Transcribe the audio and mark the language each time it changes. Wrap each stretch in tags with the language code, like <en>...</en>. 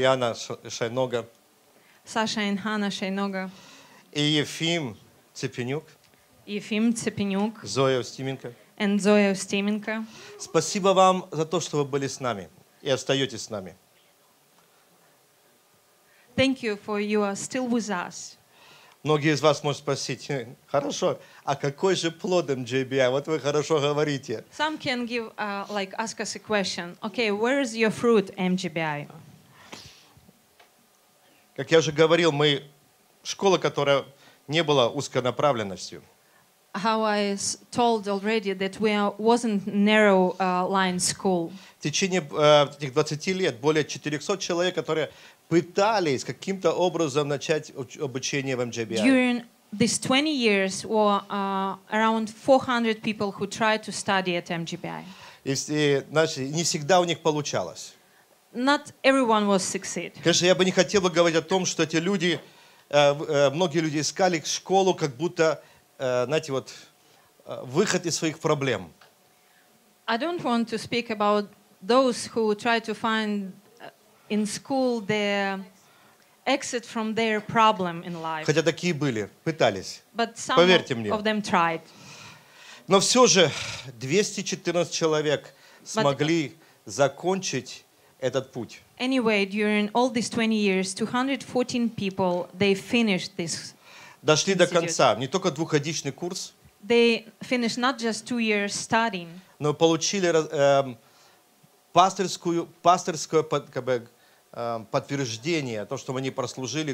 <ru>И Анна Шайнога. Саша и Анна Шайнога. И Ефим Цепенюк. Ефим Цепенюк. Зоя Устименко.</ru> <en>And Зоя Устименко.</en> <ru>Спасибо вам за то, что вы были с нами и остаетесь с нами.</ru> <en>Thank you for you are still with us.</en> <ru>Многие из вас могут спросить, хорошо, а какой же плод MGBI? Вот вы хорошо говорите.</ru> <en>Some can give, like, ask us a question. Okay, where is your fruit, MGBI?</en> <ru>Как я уже говорил, мы школа, которая не было узконаправленностью.</ru> <en>How I told already that we wasn't narrow line school.</en> <ru>В течение этих 20 лет более 400 человек, которые пытались каким-то образом начать обучение в MGBI.</ru> <en>During these 20 years were around 400 people who tried to study at MGBI.</en> <ru>Если, значит, не всегда у них получалось.</ru> <en>Not everyone was succeed.</en> <ru>Конечно, я бы не хотел бы говорить о том, что эти люди многие люди искали школу, как будто, знаете, вот выход из своих проблем.</ru> <en>I don't want to speak about those who try to find in school the exit from their problem in life.</en> <ru>Хотя такие были, пытались.</ru> <en>But some</en> <ru>Поверьте</ru> <en>of,</en> <ru>мне.</ru> <en>Of them tried.</en> <ru>Но все же 214 человек смогли закончить этот путь.</ru> <en>Anyway, during all these 20 years, 214 people, they finished this.</en> <ru>Дошли до конца, не только двухгодичный курс.</ru> <en>They finished not just 2 years studying.</en> <ru>Но получили пасторское подтверждение, то, что они прослужили</ru>